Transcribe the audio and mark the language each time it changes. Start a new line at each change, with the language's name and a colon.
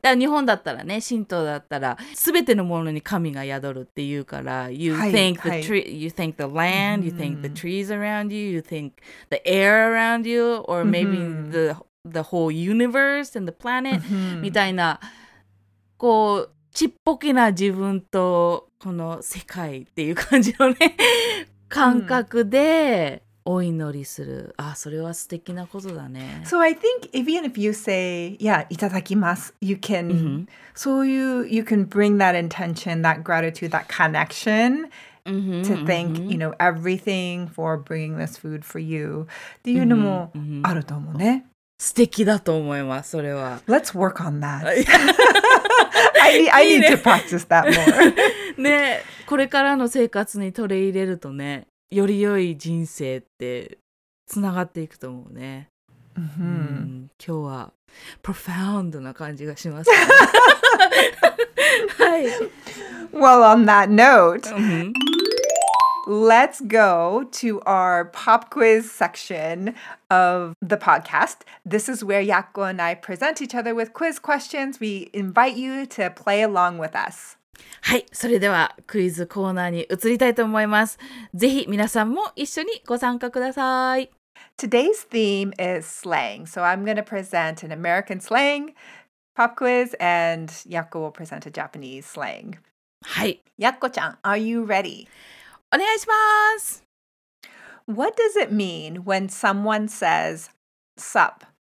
Japanese: だから日本だったらね、神道だったら、すべてのものに神が宿るっていうから、
English: You think the tree, you think the land, you think the trees around you, you think the air around you, or maybe the whole universe and the planet,
Japanese: みたいな、こう、ちっぽけな自分とこの世界っていう感じのね、感覚で、お祈りする。あ、それは素敵なことだね。
English: So I think even if you say, yeah, いただきます, you can,、mm-hmm. so you can bring that intention, that gratitude, that connection、mm-hmm. to thank,、mm-hmm. you know, everything for bringing this food for you.
Japanese: っていうのもあると思うね。素敵だと思います、それは。
English: Let's work on that. I need to practice that more.
Japanese: ね、これからの生活に取り入れるとね、より良い人生ってつながっていくと思うね。 Mm-hmm. うん、今日は profound な感じがします、ね。はい。
English: Well, on that note,、mm-hmm. let's go to our pop quiz section of the podcast. This is where Yakko and I present each other with quiz questions. We invite you to play along with us.
Japanese: はい、それではクイズコーナーに移りたいと思います。ぜひ皆さんも一緒にご参加ください。
English: Today's theme is slang. So I'm going to present an American slang pop quiz and Yakko will present a Japanese slang.
Japanese: はい。
English: Yakko ちゃん、are you ready?
Japanese: お願いします。
English: What does it mean when someone says sup?